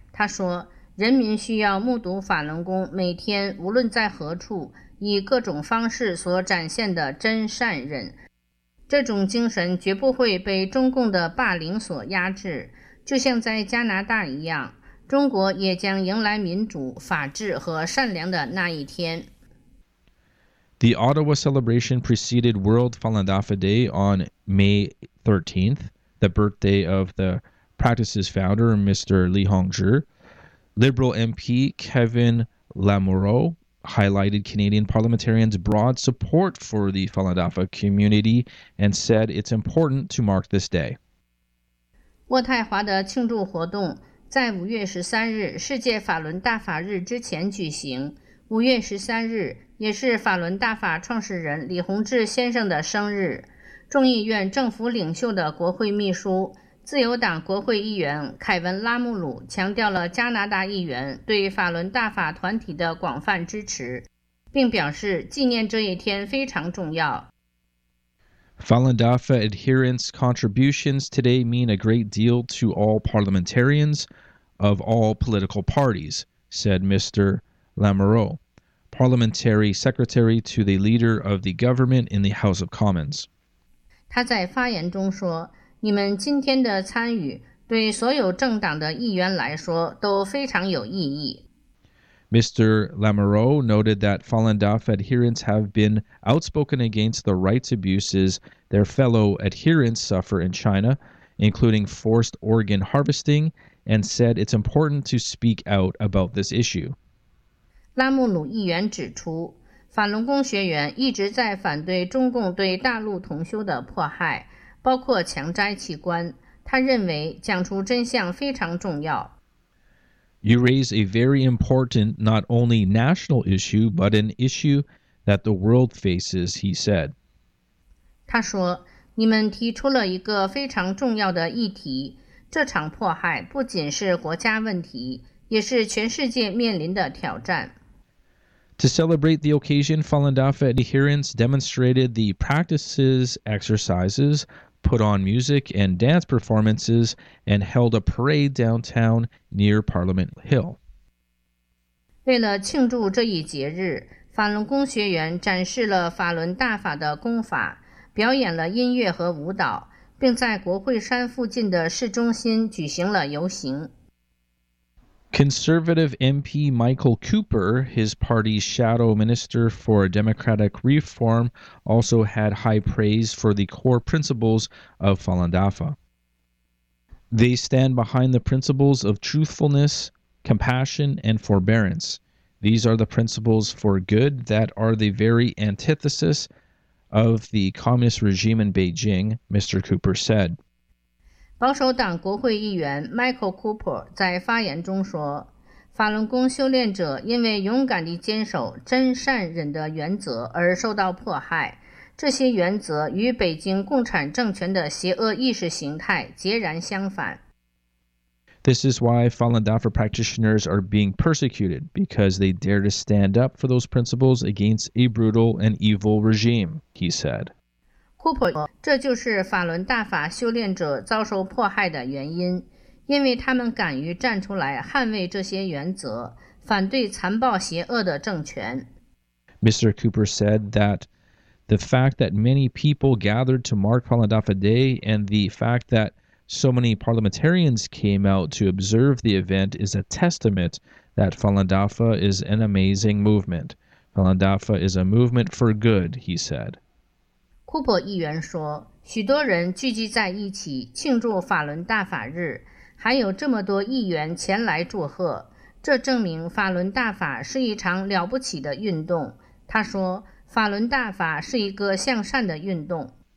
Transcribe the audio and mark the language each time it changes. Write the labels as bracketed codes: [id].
[zh] 她说，人民需要目睹法轮功每天无论在何处以各种方式所展现的真善忍，这种精神绝不会被中共的霸凌所压制。就像在加拿大一样，中国也将迎来民主、法治和善良的那一天。 [en] The Ottawa celebration preceded World Falun Dafa Day on May 13th, the birthday of the practice's founder, Mr. Li Hongzhi. Liberal MP Kevin Lamoureux highlighted Canadian parliamentarians' broad support for the Falun Dafa community and said it's important to mark this day. [zh] 渥太华的庆祝活动在5月13日世界法轮大法日之前举行。 5月13日也是法轮大法创始人李洪志先生的生日。众议院政府领袖的国会秘书、自由党国会议员凯文·拉穆鲁强调了加拿大议员对法轮大法团体的广泛支持，并表示纪念这一天非常重要。 [en] Falun Dafa adherents' contributions today mean a great deal to all parliamentarians of all political parties, said Mr. Lamoureux, parliamentary secretary to the leader of the government in the House of Commons. [zh] 他在发言中说，你们今天的参与对所有政党的议员来说都非常有意义。 [en] Mr. Lamoureux noted that Falun Dafa adherents have been outspoken against the rights abuses their fellow adherents suffer in China, including forced organ harvesting, and said it's important to speak out about this issue. [zh] 拉穆鲁议员指出，法轮功学员一直在反对中共对大陆同修的迫害，包括强摘器官，他认为讲出真相非常重要。 [en] You raise a very important, not only national issue, but an issue that the world faces, he said. [zh] 他说，你们提出了一个非常重要的议题，这场迫害不仅是国家问题，也是全世界面临的挑战。 [en] To celebrate the occasion, Falun Dafa adherents demonstrated the practices, exercises, put on music and dance performances, and held a parade downtown near Parliament Hill. [zh] 为了庆祝这一节日，法轮功学员展示了法轮大法的功法，表演了音乐和舞蹈，并在国会山附近的市中心举行了游行。 [en] Conservative MP Michael Cooper, his party's shadow minister for democratic reform, also had high praise for the core principles of Falun Dafa. They stand behind the principles of truthfulness, compassion, and forbearance. These are the principles for good that are the very antithesis of the communist regime in Beijing, Mr. Cooper said. [zh] 保守党国会议员 Michael Cooper 在发言中说，法轮功修炼者因为勇敢地坚守真善忍的原则而受到迫害，这些原则与北京共产政权的邪恶意识形态截然相反。 [en] This is why Falun Dafa practitioners are being persecuted, because they dare to stand up for those principles against a brutal and evil regime, he said. [zh] 库珀说，这就是法轮大法修炼者遭受迫害的原因，因为他们敢于站出来捍卫这些原则，反对残暴邪恶的政权。 [en] Mr. Cooper said that the fact that many people gathered to mark Falandafa Day and the fact that so many parliamentarians came out to observe the event is a testament that Falandafa is an amazing movement. Falandafa is a movement for good, he said. [zh] Cooper 议员说，许多人聚集在一起庆祝法轮大法日，还有这么多议员前来祝贺，这证明法轮大法是一场了不起的运动。他说，法轮大法是一个向善的运动。